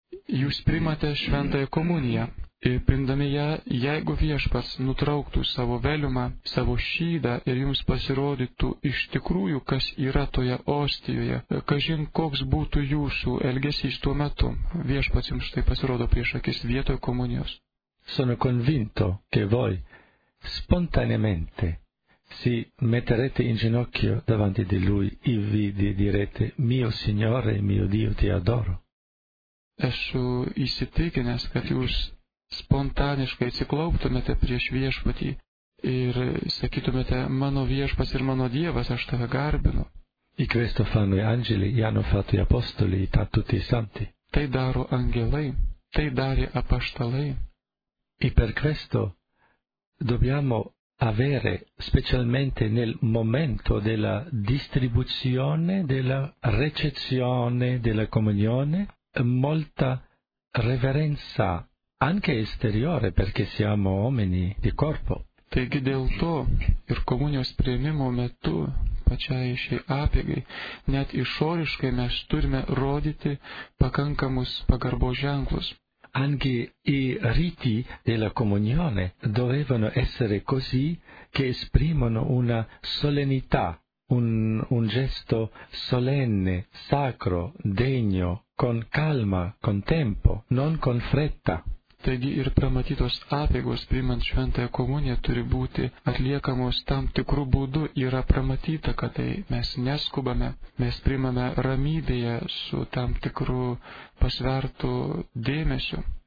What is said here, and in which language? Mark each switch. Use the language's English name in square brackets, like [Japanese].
[Lithuanian] Jūs primate šventąją komuniją ir primdami ją, jeigu viešpats nutrauktų savo veliumą, savo šydą ir jums pasirodytų iš tikrųjų, kas yra toje ostijoje, kažin koks būtų jūsų elgesys tuo metu, viešpats jums štai pasirodo prieš akis vietoj komunijos. [Italian] Sono convinto che voi spontaneamente si metterete in ginocchio davanti di lui e vi direte, mio Signore, mio Dio, ti adoro. [Lithuanian] Esu įsitikinęs, kad jūs spontaniškai atsiklauptumėte prieš viešpatį ir sakytumėte, mano viešpas ir mano dievas, aš tave garbinu. [Italian] I questo fanno gli angeli, hanno fatto gli apostoli, ta tutti i santi. [Lithuanian] Tai daro angelai, tai darė apaštalai. [Italian] E per questo dobbiamo avere, specialmente nel momento della distribuzione, della recezione, della comunione, molta reverenza, anche esteriore, perché siamo uomini di corpo. [Lithuanian] Taigi dėl to ir komunijos priėmimo metu, pačiai šiai apėgai, net išoriškai mes turime rodyti pakankamus pagarbos ženklus. [Italian] Anche i riti della comunione dovevano essere così che esprimono una solennità, un gesto solenne, sacro, degno, con calma, con tempo, non con fretta. [Lithuanian] Taigi ir pramatytos apėgos priimant šventąją komuniją turi būti atliekamos tam tikrų būdų, yra pramatyta, kad tai mes neskubame, mes priimame ramybėje su tam tikru pasvertu dėmesiu.